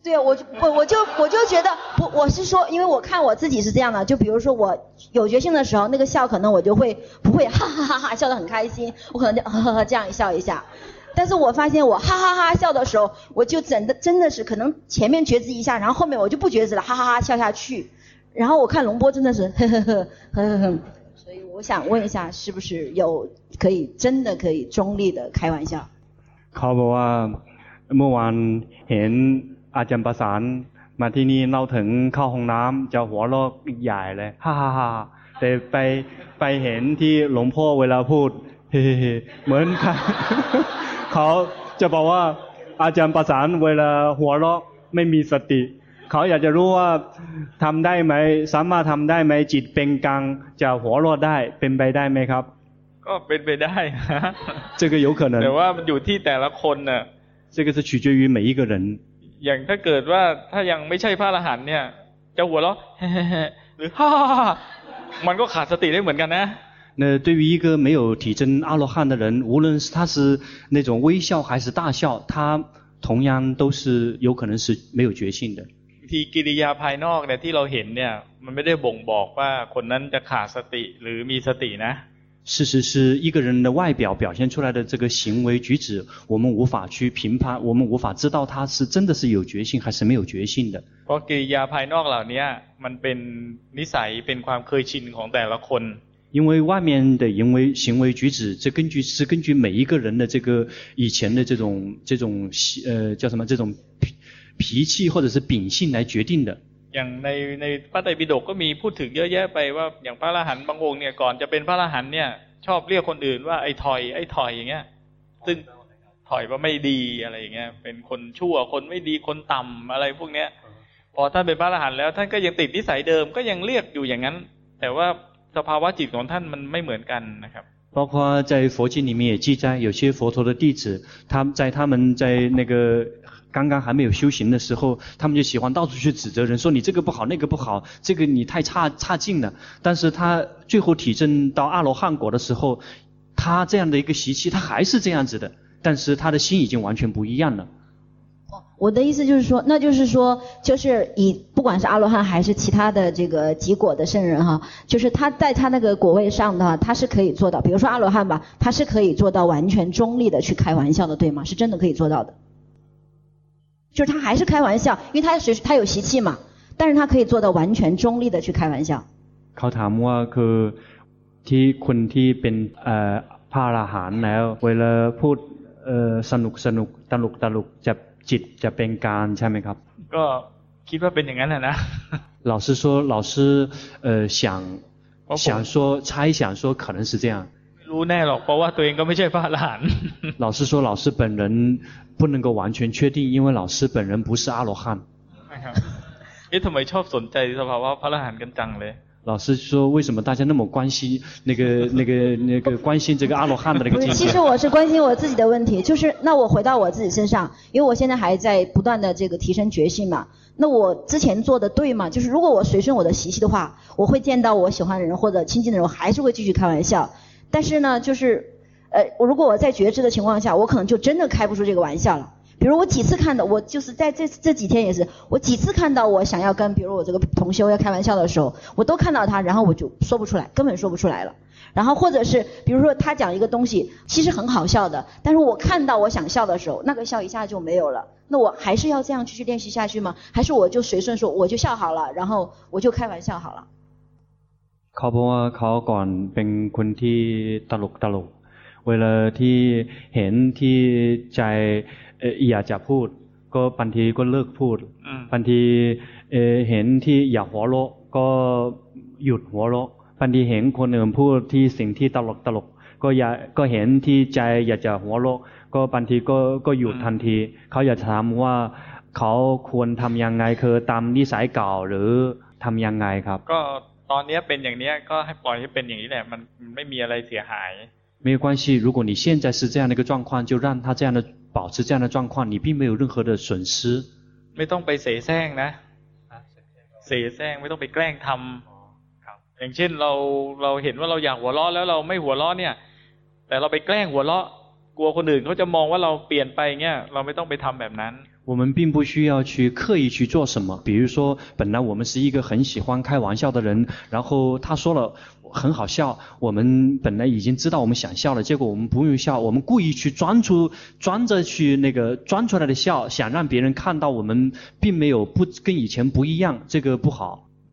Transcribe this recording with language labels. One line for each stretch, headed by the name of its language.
Chinese: 对我就觉得不我是说因为我看我自己是这样的就比如说我有觉醒的时候那个笑可能我就会不会哈哈哈哈笑得很开心我可能就呵呵这样笑一下但是我发现我哈哈哈笑的时候我就真的是可能前面觉知一下然后后面我就不觉知了哈哈哈笑下去然后我看龙波真的是呵呵呵呵呵呵所以我想问一下是不是有可以真的可以中立的开玩笑
Thai: เขาบอกว่าเมื่อวานเห็นอาจารย์ประสานมาที่นี่เล่าถึงเข้าห้องน้ำจะหัวเราะใหญ่เลยฮ่าฮ่าฮ่าแต่ไปเห็นที่หลวงพ่อเวลาพูดเฮ้ เหมือนเขาจะบอกว่าอาจารย์ประสานเวลาหัวเราะไม่มีสติ ขาอยากจะรู้ว่าทำได้ไหมสามารถทำได้ไหมจิตเป็นกลางจะหัวรอดได้เป็นไปได้ไหมครับ ก็เป็นไปได้
Chinese: 这个有可能
Thai: แต่ว่ามันอยู่ที่แต่ละคนน่ะ
Chinese: 这个是取决于每一个人
Thai: อย่างถ้าเกิดว่าถ้ายังไม่ใช่พระอรหันต์เนี่ยจะหัวเราะหรือฮ่าฮ่ามันก็ขาดสติได้เหมือนกันนะ
Chinese: 那对于一个没有体证阿罗汉的人，无论他是那种微笑还是大笑，他同样都是有可能是没有觉性的。
Thai: ที่กิริยาภายนอกเนี่ยที่เราเห็นเนี่ยมันไม่ได้บ่งบอกว่าคนนั้นจะขาดสติหรือมีสตินะ。
Chinese: 事实是一个人的外表表现出来的这个行为举止，我们无法去评判，我们无法知道他是真的是有觉性还是没有觉性的。
Thai: เพราะกิริยาภายนอกเหล่านี้มันเป็นนิสัยเป็นความเคยชินของแต่ละคน。
Chinese: 因为外面的行为举止，这根据是根据每一个人的这个以前的这种叫什么这种脾气或者是秉性来决定的。
Thai: อย่างในพระไตรปิฎกก็มีพูดถึงเยอะแยะไปว่าอย่างพระอรหันต์บางองค์เนี่ยก่อนจะเป็นพระอรหันต์เนี่ยชอบเรียกคนอื่นว่าไอ้ถอยไอ้ถอยอย่างเงี้ยซึ่งถอยว่าไม่ดีอะไรอย่างเงี้ยเป็นคนชั่วคนไม่ดีคนต่ำอะไรพวกเนี้ยพอท่านเป็นพระอรหันต์แล้วท่านก็ยังติดนิสัยเดิมก็ยังเรียกอยู่อย่างนั้นแต่ว่าสภาวะจิตของท่านมันไม่เหมือนกันนะครับ
Chinese: 包括在佛经里面也记载有些佛陀的弟子他在他们在那个刚刚还没有修行的时候他们就喜欢到处去指责人说你这个不好那个不好这个你太差劲了但是他最后体证到阿罗汉果的时候他这样的一个习气他还是这样子的但是他的心已经完全不一样了我的意思就是说，那就是说，就是以不管是阿罗汉还是其他的这个极果的圣人哈，就是他在他那个果位上的话，他是可以做到。比如说阿罗汉吧，他是可以做到完全中立的去开玩笑的，对吗？是真的可以做到的。就是他还是开玩笑，因为他有习气嘛，但是他可以做到完全中立的去开玩笑。
Thai: เขาถามว่าคือที่คนที่เป็นพระอรหันต์แล้วเวลาพูดสนุกตลกตลกจะจิตจะเป็นกลางใช่ไหมครับ ก็คิดว่าเป็นอย่างนั้นแหละนะ
Chinese: 老师说老师想说猜想说可能是这样
Thai: ไม่รู้แน่หรอกเพราะว่าตัวเองก็ไม่ใช่พระอรหันต์
Chinese: 老师说老师本人不能够完全确定因为老师本人不是阿罗汉
Thai: ไม่ครับทำไมชอบสนใจสภาวะพระอรหันต์กันจังเลย
Chinese: 老师说为什么大家那么关心那个关心这个阿罗汉的那个境界其实我是关心我自己的问题就是那我回到我自己身上因为我现在还在不断的这个提升觉性嘛那我之前做的对吗就是如果我随顺我的习气的话我会见到我喜欢的人或者亲近的人我还是会继续开玩笑但是呢就是如果我在觉知的情况下我可能就真的开不出这个玩笑了比如我几次看到我就是在这几天也是我几次看到我想要跟比如我这个同修要开玩笑的时候我都看到他然后我就说不出来根本说不出来了然后或者是比如说他讲一个东西其实很好笑的但是我看到我想笑的时候那个笑一下就没有了那我还是要这样继续练习下去吗还是我就随顺说我就笑好了然后我就开玩笑好了考本啊考管本昆梯大陆大陆为了梯很梯在
Thai: อยากจะพูดก็บางทีก็เลิกพูดบางทีเห็นที่อยากหัวเราะก็หยุดหัวเราะบางทีเห็นคนอื่นพูดที่สิ่งที่ตลกตลกก็อยากก็เห็นที่ใจอยากจะหัวเราะก็บางทีก็หยุดทันทีเขาอยากถามว่าเขาควรทำยังไงคือตามนิสัยเก่าหรือทำยังไงครับ ก็ตอนนี้เป็นอย่างนี้ก็ให้ปล่อยให้เป็นอย่างนี้แหละมันไม่มีอะไรเสียหาย ไม่
Chinese: 关系如果你现在是这样的一个状况就让他这样的保持这样的状况你并没有任何的损失
Thai: ไม่ต้องไปเสแสร้งนะเสแสร้งไม่ต้องไปแกล้งทำอย่างเช่นเราเห็นว่าเราอยากหัวเราะแล้วเราไม่หัวเราะเนี่ยแต่เราไปแกล้งหัวเราะกลัวคนอื่นเขาจะมองว่าเราเปลี่ยนไปเงี้ยเราไม่ต้องไปทำแบบนั้น
Chinese: 我们并不需要去刻意去做什么比如说本来我们是一个很喜欢开玩笑的人然后他说了很好笑我们本来已经知道我们想笑了结果我们不用笑我们故意去装着去那个装出来的笑想让别人看到我们并没有不跟以前不一样这个不好